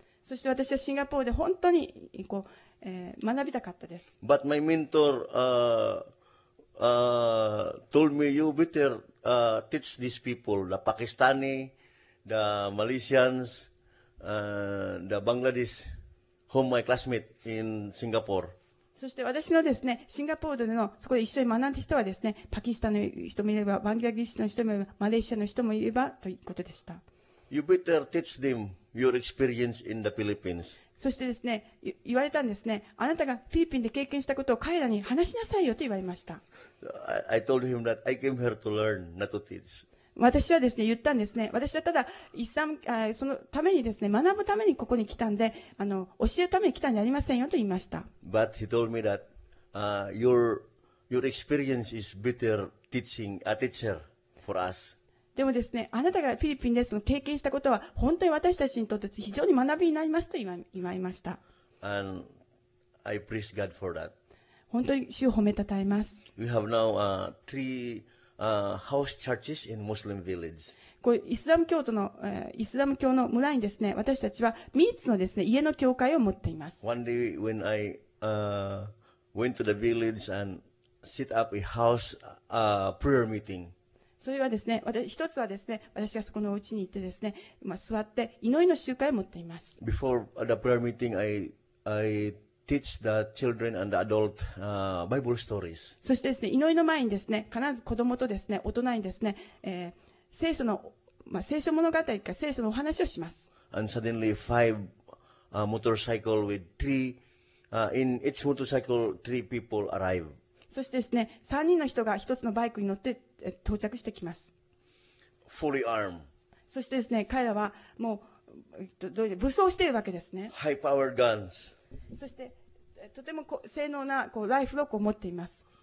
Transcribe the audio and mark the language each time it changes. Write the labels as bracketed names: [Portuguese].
[Japanese] そして私はシンガポールで本当にこう、学びたかったです。 [English] But my mentor, told me you better, teach these people, the Pakistani, the Malaysians, the Bangladesh, whom my classmate in Singapore. [Japanese] そして私のですね、シンガポールでのそこで一緒に学んだ人はですね、パキスタンの人もいれば、バングラディッシュの人もいれば、マレーシアの人もいればということでした。 [English] You better teach them your experience in the Philippines. [Japanese] そしてですね、言われたんですね。あなたがフィリピンで経験したことを彼らに話しなさいよと言われました。 [English] I told him that I came here to learn, not to teach. [Japanese] 私はですね、言ったんですね。私はただイスラム、そのためにですね、学ぶためにここに来たんで、教えるために来たんじゃありませんよと言いました。 [English] But he told me that, your experience is better teaching a teacher for us. [Japanese] でもですね、あなたがフィリピンでその経験したことは本当に私たちにとって非常に学びになりますと言われました。 [English] And I praise God for that. [Japanese] 本当に主を褒めたたえます。 [English] We have now house churches in Muslim village. [Japanese] こうイスラム教の村にですね、私たちは3つのですね、家の教会を持っています。 [English] One day when I went to the village and set up a house prayer meeting. [Japanese] それはですね、一つはですね、私がそこのお家に行ってですね、まあ、座って祈りの集会を持っています。 [English] Before the prayer meeting, I teach the children and the adult Bible stories. [Japanese] そしてですね、祈りの前にですね、必ず子供とですね、大人にですね、聖書の、まあ、聖書物語か聖書のお話をします。 [English] And suddenly five motorcycle with three, in each motorcycle, three people arrive. [Japanese] そしてですね、3人の人が1つのバイクに乗って到着してきます。 [English] Fully armed. [Japanese] そしてですね、彼らはもう、どういう武装しているわけですね。 [English] High power guns. [Japanese] そして、とても性能なこうライフロックを持っています。